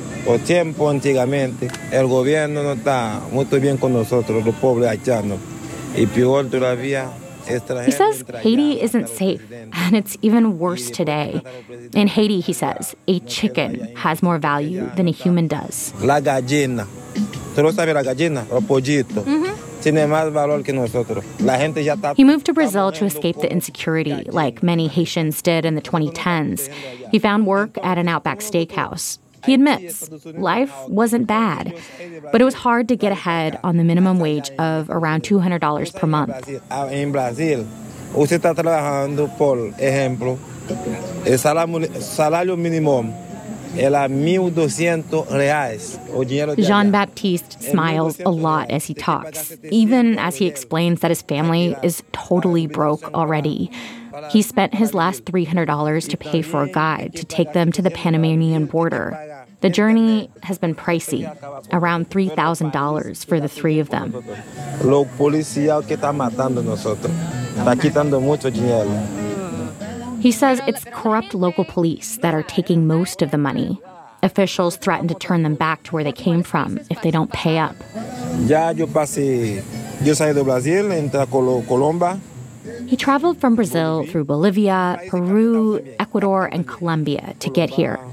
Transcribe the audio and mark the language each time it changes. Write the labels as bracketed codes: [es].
[es] Antiguamente, el gobierno no está muy bien con nosotros, los pobres haitianos. Y peor todavía, [en] He says Haiti isn't safe, and it's even worse today. In Haiti, he says, a chicken has more value than a human does. [es] La gallina. ¿Tú no sabes la gallina? El pollito. Tiene más valor que nosotros. La gente ya está. [en] He moved to Brazil to escape the insecurity, like many Haitians did in the 2010s. He found work at an Outback steakhouse. He admits, life wasn't bad, but it was hard to get ahead on the minimum wage of around $200 per month. In Brazil, [es] usted está trabajando, por ejemplo, el salario mínimo era 1,200 reais. [en] Jean-Baptiste smiles a lot as he talks, even as he explains that his family is totally broke already. He spent his last $300 to pay for a guide to take them to the Panamanian border. The journey has been pricey, around $3,000 for the three of them. [es] Los policías que están matando nosotros, está quitando mucho dinero. [en] He says it's corrupt local police that are taking most of the money. Officials threaten to turn them back to where they came from if they don't pay up. [es] Ya yo pasé, yo salí de Brasil, entré a Colombia. [en] He traveled from Brazil through Bolivia, Peru, Ecuador, and Colombia to get here.